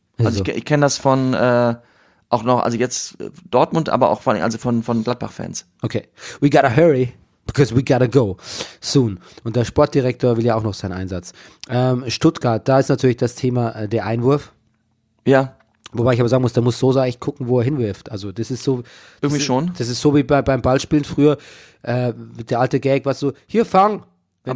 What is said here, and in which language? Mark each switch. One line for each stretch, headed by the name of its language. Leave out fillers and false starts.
German: Ich kenne das von auch noch, also jetzt Dortmund, aber auch vor allem also von Gladbach-Fans. Okay.
English: We gotta hurry, because we gotta go soon.
German: Und der Sportdirektor will ja auch noch seinen Einsatz. Stuttgart, da ist natürlich das Thema der Einwurf. Ja. Wobei ich aber sagen muss, da muss Sosa eigentlich gucken, wo er hinwirft. Also das ist so. Irgendwie schon. Das ist so wie beim Ballspielen früher, der alte Gag, was so, hier fang. Wenn